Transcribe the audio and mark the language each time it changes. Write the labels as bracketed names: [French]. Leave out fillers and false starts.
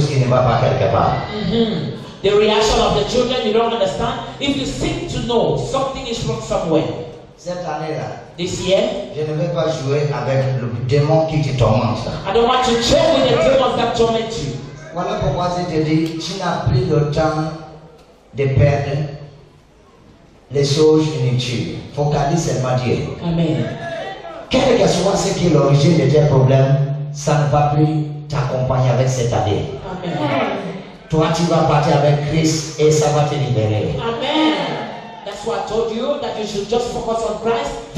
[English] Children, you don't understand. If you seek to know, something is wrong somewhere. [French] Cette année-là, [English] this year, [French] je ne vais pas jouer avec le démon qui te tourmente. [English] I don't want to play with the demon that torments you. [French] Voilà pourquoi je te dis, tu n'as plus le temps de perdre les choses inutiles. Focalise seulement Dieu. Amen. Quel que soit ce qui est l'origine de tes problèmes, ça ne va plus t'accompagner avec cette année. Amen. Toi, tu vas partir avec Christ et ça va te libérer. Amen. [English] That's why I told you that you should just focus on Christ.